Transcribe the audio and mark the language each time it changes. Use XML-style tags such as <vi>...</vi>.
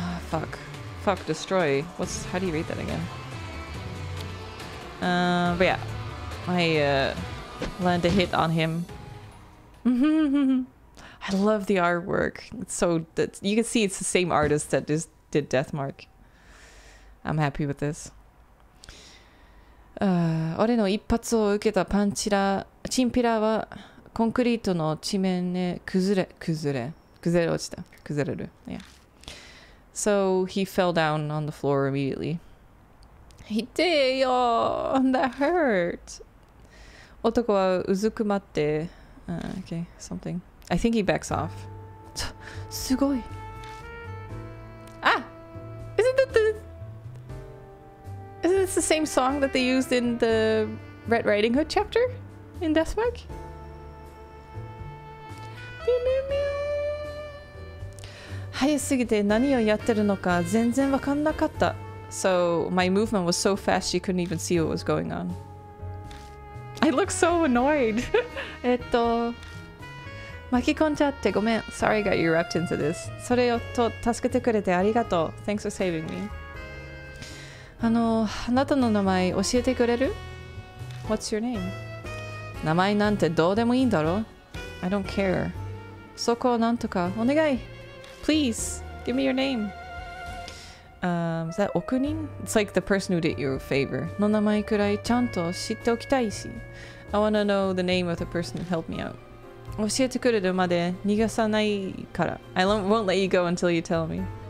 <en>Fuck Fuck destroy What's How do you read that again? But yeah I land a hit on him I love the artwork It's so You can see it's the same artist That just did Death Mark. I'm happy with this.</en> <ja>俺の一発を受けたパンチラ、チンピラはコンクリートの地面で崩れ落ちた。崩れる。Yeah.</ja> <en>So he fell down on the floor immediately.</en> <ja>痛えよ</ja> <en>That hurt!</en> <ja>男はうずくまって、</ja> <en>okay, something. I think he backs off.</en> <ja>すごい。</ja> <en>Isn't this the same song that they used in the Red Riding Hood chapter in Death Mark? ピューミューミュー。</en> <ja>速すぎて何をやってるのか全然わかんなかった。</ja> <en>So my movement was so fast you couldn't even see what was going on. I look so annoyed.</en> <ja>巻き込んじゃってごめん。</ja> <en>Sorry I got you wrapped into this.</en> <ja>それをと助けてくれてありがとう。</ja> <en>Thanks for saving me.</en> <ja>あなたの名前教えてくれる？</ja> <en>What's your name?</en> <ja>名前なんてどうでもいいんだろ。</ja> <en>I don't care.</en> <ja>そこをなんとかお願い。</ja> <en>Please, give me your name. Is that 奥人？ It's like the person who did you a favor.</en> <ja>の名前くらいちゃんと知っておきたいし。</ja> <en>I want to know the name of the person who helped me out.</en> <ja>教えてくれるまで逃がさないから。</ja> <en>I won't let you go until you tell me.</en>